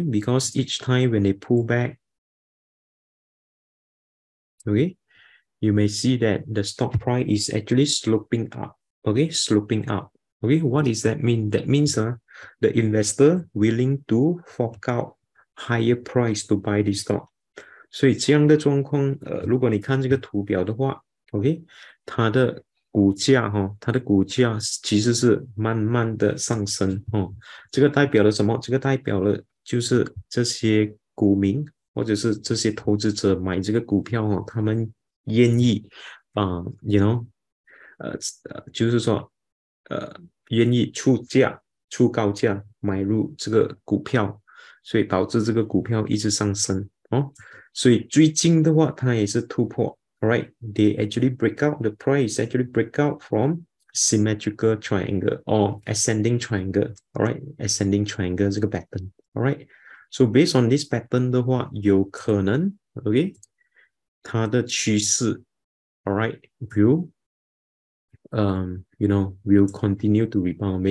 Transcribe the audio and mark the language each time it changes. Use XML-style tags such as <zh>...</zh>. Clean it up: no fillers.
<en>Because each time when they pull back, okay, you may see that the stock price is actually sloping up, okay, sloping up, okay, what does that mean? That means the investor willing to fork out higher price to buy this stock.</en> <zh>所以这样的状况, 如果你看这个图表的话, okay, 它的股价, 它的股价其实是慢慢的上升, 这个代表了什么? 这个代表了就是这些股民, 或者是这些投资者买这个股票, 他们 愿意,</zh> <en>you know,</en> <zh>就是说, 愿意出价, 出高价, 买入这个股票, 所以导致这个股票一直上升, 所以最近的话, 它也是突破, right?</zh> <en>They actually break out, the price actually break out from symmetrical triangle, or ascending triangle, alright? Ascending triangle,</en> <zh>这个</zh> <en>pattern, alright? So based on this pattern</en> <zh>的话, 有可能,</zh> <en>okay?</en> <zh>它的趋势,</zh> <en>alright, will, you know, will continue to rebound.</en>